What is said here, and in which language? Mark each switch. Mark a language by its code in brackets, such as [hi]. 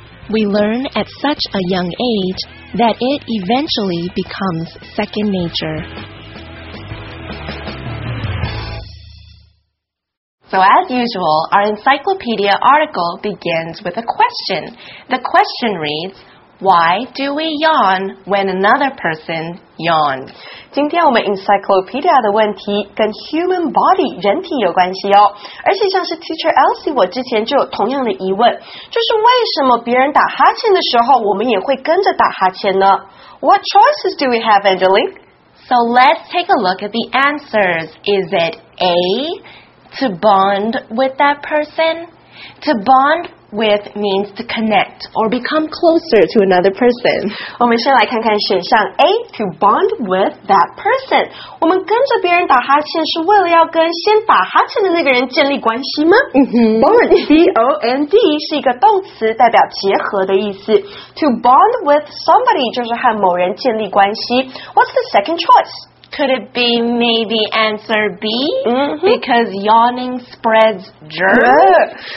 [en] We learn at such a young age that it eventually becomes second nature. So as usual, our encyclopedia article begins with a question. The question reads, Why do we yawn when another person yawns? [zh] 今天我们 encyclopedia 的问题跟 [en] human body [zh] 人体有关系哦。而且像是 teacher Elsie 我之前就有同样的疑问，就是为什么别人打哈欠的时候我们也会跟着打哈欠呢？ [en] What choices do we have, Angeline? So let's take a look at the answers. Is it A... To bond with that person. To bond with means to connect or become closer to another person. [zh] 我们先来看看选项 A, [en] to bond with that person. [zh] 我们跟着别人打哈欠是为了要跟先打哈欠的那个人建立关系吗？ Bond, B-O-N-D, 是一个动词代表结合的意思。 [en] To bond with somebody [zh] 就是和某人建立关系。 [en] What's the second choice? Could it be maybe answer B?、Mm-hmm. Because yawning spreads germs.